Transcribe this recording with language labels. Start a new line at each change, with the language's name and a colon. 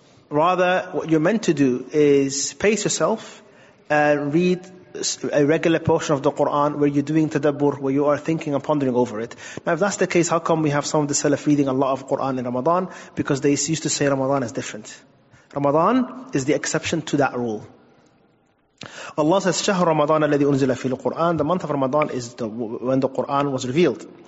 English: Rather, what you're meant to do is pace yourself and read a regular portion of the Quran where you're doing tadabbur, where you are thinking and pondering over it. Now, if that's the case, how come we have some of the Salaf reading a lot of Quran in Ramadan? Because they used to say Ramadan is different. Ramadan is the exception to that rule. Allah says,
Arabic: شهر رمضان الذي أنزل فيه القرآن.
English: The month of Ramadan is when the Quran was revealed.